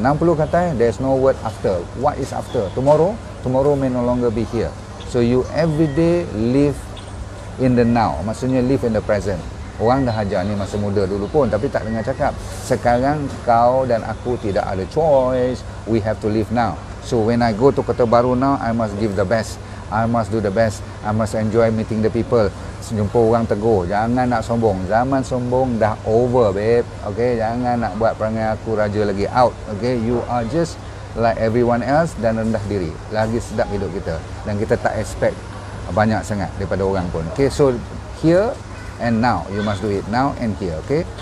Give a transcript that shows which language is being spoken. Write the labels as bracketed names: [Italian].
[English] 60 kata, there's no word after. What is after? Tomorrow? Tomorrow may no longer be here. So, you everyday live in the now. [Malay] Maksudnya, [English] live in the present. [Malay] Orang dah ajar ni masa muda dulu pun, tapi tak dengar cakap. Sekarang kau dan aku tidak ada choice. [English] We have to live now. So when I go to Kota Baru now, I must give the best. I must do the best. I must enjoy meeting the people. [Malay] Jumpa orang tegur. Jangan nak sombong. Zaman sombong dah [English] over, babe. [Malay] Okay, jangan nak buat perangai aku raja lagi. [English] Out. Okay, you are just like everyone else [Malay] dan rendah diri. Lagi sedap hidup kita. Dan kita tak expect banyak sangat daripada orang pun. [English] Okay, so here and now, you must do it now and here, okay?